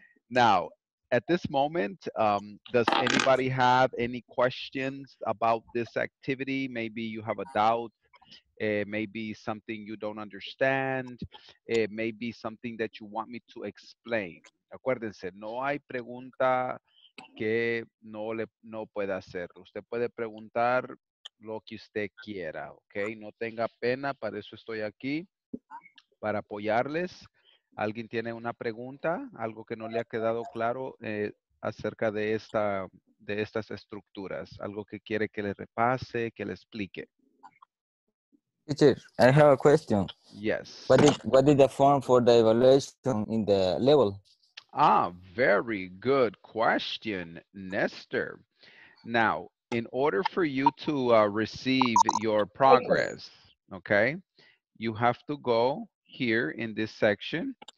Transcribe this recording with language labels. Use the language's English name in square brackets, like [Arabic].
[English] Now, at this moment, does anybody have any questions about this activity? Maybe you have a doubt. Maybe something you don't understand. It may be something that you want me to explain. [Spanish] Acuérdense, no hay pregunta que no pueda hacer. Usted puede preguntar lo que usted quiera, okay? No tenga pena, para eso estoy aquí, para apoyarles. ¿Alguien tiene una pregunta? ¿Algo que no le ha quedado claro acerca de estas estructuras? ¿Algo que quiere que le repase, que le explique? [English] Teacher, I have a question. Yes. What is the form for the evaluation in the level? Ah, very good question, Nestor. Now, in order for you to receive your progress, okay, you have to go here in this section.